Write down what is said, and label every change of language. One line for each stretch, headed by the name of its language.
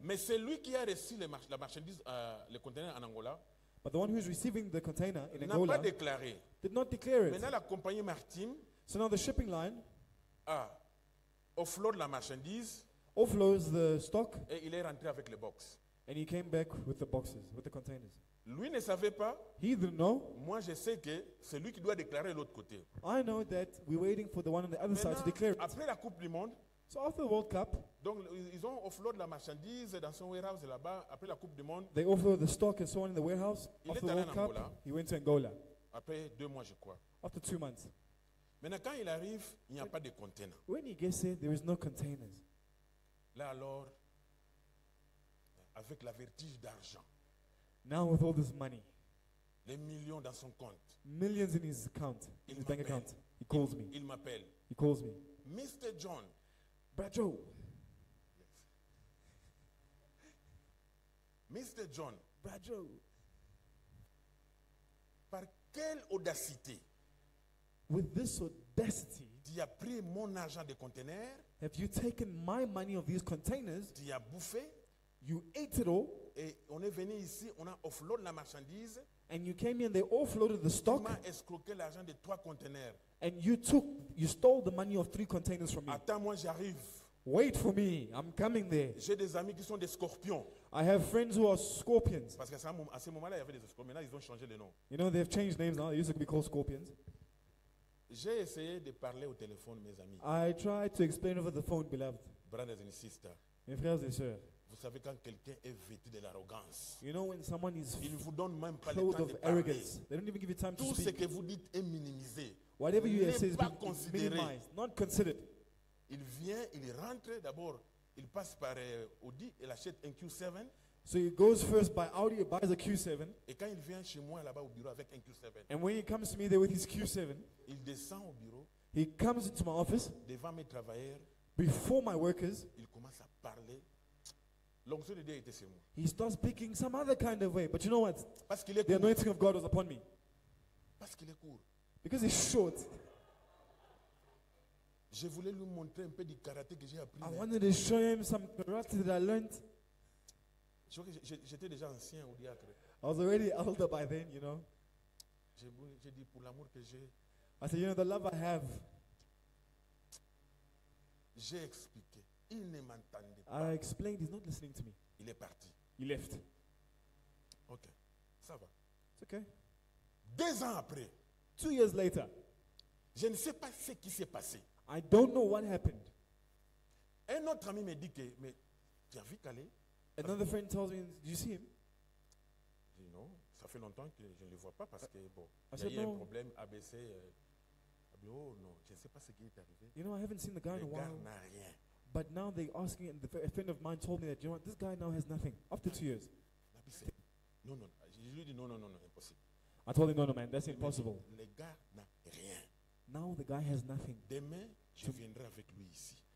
French: Mais c'est lui qui a reçu les la marchandise les conteneurs en Angola.
English: But the one who is receiving the container in Angola
French: n'a pas déclaré.
English: Did not declare it.
French: Maintenant la compagnie Martin.
English: So now the shipping line.
French: Ah. Offload la marchandise.
English: Offloads the stock.
French: Et il est rentré avec les box.
English: And he came back with the boxes, with the containers.
French: Lui ne savait pas.
English: He didn't know.
French: Moi je sais que c'est lui qui doit déclarer l'autre côté.
English: I know that we're waiting for the one on the other side to declare it.
French: Après la Coupe du Monde.
English: So after the World Cup.
French: Donc ils ont offload la marchandise dans son warehouse là-bas après la Coupe du Monde.
English: They offload the stock and so on in the warehouse.
French: Il
English: after the World
French: en
English: Cup,
French: Angola.
English: He went to Angola.
French: Après deux mois je crois.
English: After 2 months.
French: Maintenant, quand il arrive, il n'y a pas de container.
English: When he gets there, there is no containers.
French: Là alors, avec la vertige d'argent.
English: Now with all this money.
French: Les millions dans son compte.
English: Millions in his account, in his bank account. He calls me.
French: Il m'appelle.
English: He calls me. Mr. John. Brad Joe. Yes. Mr. John. Brad Joe.
French: Par quelle audacité?
English: With this audacity,
French: tu as pris mon argent de container,
English: have you taken my money of these containers?
French: Tu as bouffé,
English: you ate it all.
French: Et on est venu ici, on a offload la marchandise.
English: And you came here and they offloaded the stock.
French: Tu m'as escroqué l'argent de 3 containers.
English: And you stole the money of 3 containers from me.
French: Attends, moi j'arrive.
English: Wait for me, I'm coming there.
French: J'ai des amis qui sont des scorpions.
English: I have friends who are scorpions.
French: Parce qu'à ce moment-là, il y avait des scorpions. Maintenant, ils ont changé de nom.
English: You know, they've changed names now. They used to be called scorpions.
French: J'ai essayé de parler au téléphone, mes amis.
English: I tried to explain over the phone, beloved. Brothers and sisters.
French: Mes frères et sœurs. Vous savez quand quelqu'un est vêtu de l'arrogance.
English: You know when someone is
French: ils vous donnent même pas le temps de
English: arrogance.
French: Parler.
English: They don't even give you time
French: tout
English: to speak.
French: Tout ce que vous dites est minimisé.
English: Whatever you say is
French: considéré.
English: Minimized, not considered.
French: Il vient, il rentre d'abord, il passe par Audi, il achète un Q7.
English: So he goes first by Audi, he buys a Q7.
French: Et quand il vient chez moi là-bas au bureau avec un Q7.
English: And when he comes to me there with his Q7.
French: Il descend au bureau.
English: He comes into my office.
French: Devant mes travailleurs.
English: Before my workers.
French: Il commence à parler. L'onction de Dieu était sur moi.
English: He starts speaking some other kind of way. But you know what?
French: Parce qu'il est
English: the anointing of God was upon me.
French: Parce qu'il est court.
English: Because he's short.
French: Je voulais lui montrer un peu du karaté que j'ai appris.
English: I wanted to show him some karate that I learned.
French: J'étais déjà ancien au diacre.
English: I was already older by then, you know.
French: J'ai dit pour l'amour que j'ai.
English: I said, you know, the love I have.
French: J'ai expliqué. Il ne m'entendait
English: pas. I explained, he's not listening to me.
French: Il est parti.
English: He left.
French: Ok, ça va.
English: It's okay.
French: 2 ans après.
English: 2 years later.
French: Je ne sais pas ce qui s'est passé.
English: I don't know what happened.
French: Un autre ami me dit que, mais tu as vu qu'aller.
English: Another friend tells me, "Do you see him?"
French: Dis non, ça fait longtemps que je ne le vois pas parce que bon, il y a eu un problème ABC. Oh non, je ne sais pas ce qui est arrivé.
English: You know, I haven't seen the guy in a while.
French: N'a rien.
English: But now they asking, and a friend of mine told me that, you know what, this guy now has nothing after 2 years.
French: Non, non, je lui dis non, impossible.
English: I told him, no, man, that's impossible.
French: Le gars n'a rien.
English: Now the guy has nothing.
French: Demain, je viendrai avec lui ici.